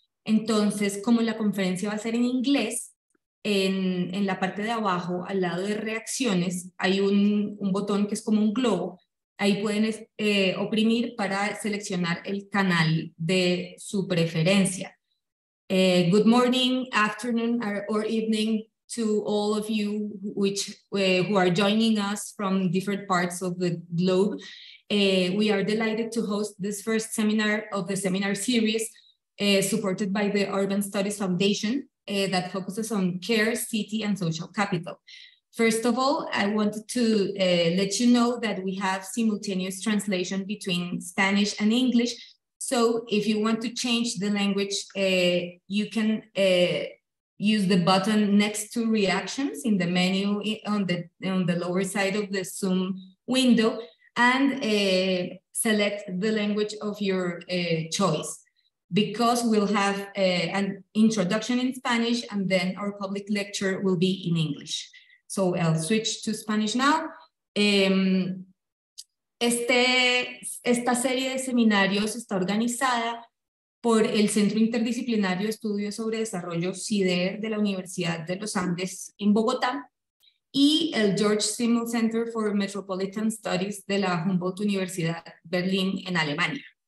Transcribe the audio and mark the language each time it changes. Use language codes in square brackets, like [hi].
[es] Entonces, como la conferencia va a ser en inglés, en la parte de abajo, al lado de reacciones, hay un botón que es como un globo. Ahí pueden oprimir para seleccionar el canal de su preferencia. [en] Good morning, afternoon, or evening to all of you who are joining us from different parts of the globe. We are delighted to host this first seminar of the seminar series, supported by the Urban Studies Foundation, that focuses on care, city, and social capital. First of all, I wanted to let you know that we have simultaneous translation between Spanish and English. So if you want to change the language, you can use the button next to reactions in the menu on the lower side of the Zoom window and select the language of your choice. Because we'll have an introduction in Spanish and then our public lecture will be in English. So I'll switch to Spanish now. [es] Esta serie de seminarios está organizada por el Centro Interdisciplinario de Estudios sobre Desarrollo CIDER de la Universidad de los Andes en Bogotá y el George Simmel Center for Metropolitan Studies de la Humboldt Universidad Berlín en Alemania.